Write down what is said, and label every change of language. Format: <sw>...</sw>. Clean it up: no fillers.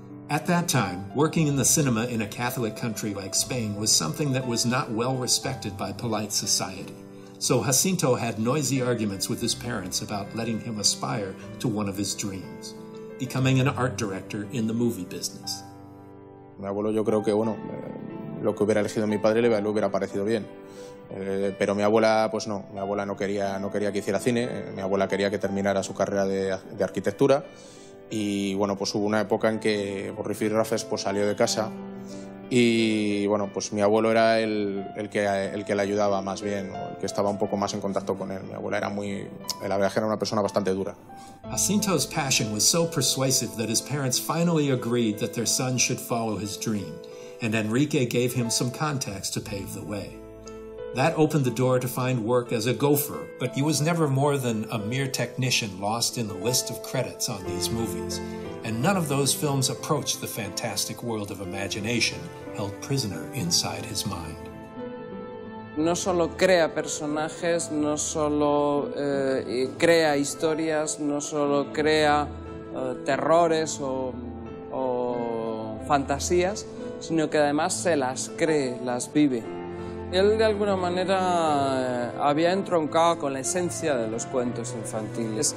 <en>At that time, working in the cinema in a Catholic country like Spain was something that was not well respected by polite society, so Jacinto had noisy arguments with his parents about letting him aspire to one of his dreams. becoming an art director in the movie business.</en> <es>Mi abuelo, yo creo que, bueno, lo que hubiera elegido mi padre le hubiera parecido bien. Pero mi abuela, pues no, mi abuela no quería que hiciera cine, mi abuela quería que terminara su carrera de arquitectura. Y bueno, pues hubo una época en que Borrifi Rafes pues salió de casa y bueno, pues mi abuelo era el que le ayudaba más bien, o el que estaba un poco más en contacto con él. Mi abuela era muy, la verdad, era una persona bastante dura.</es> <en>Jacinto's passion was so persuasive that his parents finally agreed that their son should follow his dream, and Enrique gave him some contacts to pave the way. That opened the door to find work as a gopher, but he was never more than a mere technician lost in the list of credits on these movies. And none of those films approached the fantastic world of imagination held prisoner inside his mind.</en> <es>No solo crea personajes, no solo crea historias, no solo crea terrores o fantasías, sino que además se las cree, las vive. Él, de alguna manera, había entroncado con la esencia de los cuentos infantiles.</es>